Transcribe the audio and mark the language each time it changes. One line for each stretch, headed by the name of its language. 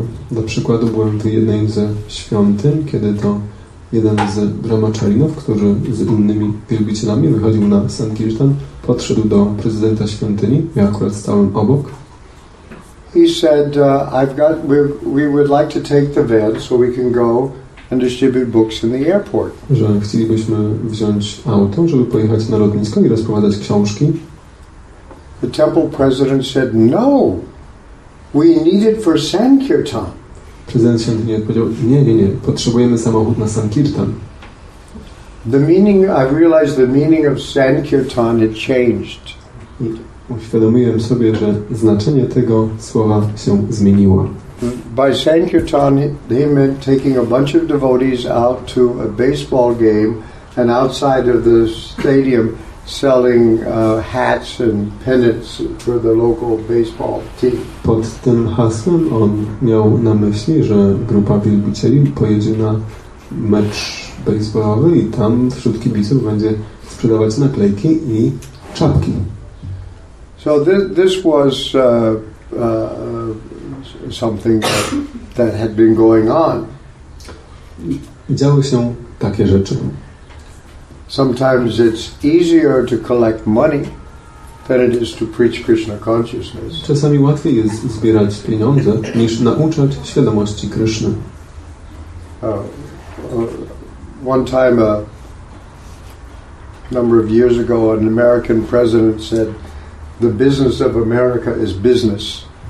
Polish: Na przykład byłem w jednej ze świątyń, kiedy to jeden z brahmacharinów, który z innymi wielbicielami wychodził na Sankirtan, podszedł do prezydenta świątyni. Ja akurat stałem obok.
English: He said, we would like to take the van so we can go and distribute books in the airport.
Polish: Że chcielibyśmy wziąć auto, żeby pojechać na lotnisko i rozprowadzać książki.
English: The temple president said, no, we need it for Sankirtan.
Polish: Prezydent świątyni odpowiedział, nie, potrzebujemy samochód na Sankirtan.
English: The meaning, I realized the meaning of Sankirtan had changed.
Polish: Uświadomiłem sobie, że znaczenie tego słowa się zmieniło.
English: By Sankirtan, he meant taking a bunch of devotees out to a baseball game and outside of the stadium selling hats and pennants for the local baseball team.
Polish: Pod tym hasłem on miał na myśli, że grupa wielbicieli pojedzie na mecz baseballowy i tam wśród kibiców będzie sprzedawać naklejki i czapki.
English: So this was something that had been going on.
Polish: Działy się takie rzeczy.
English: Sometimes it's easier to collect money than it is to preach Krishna consciousness.
Polish: Czasami łatwiej jest zbierać pieniądze niż nauczać świadomości Kryszny.
English: One time, a number of years ago, an American president said, "The business of America is business."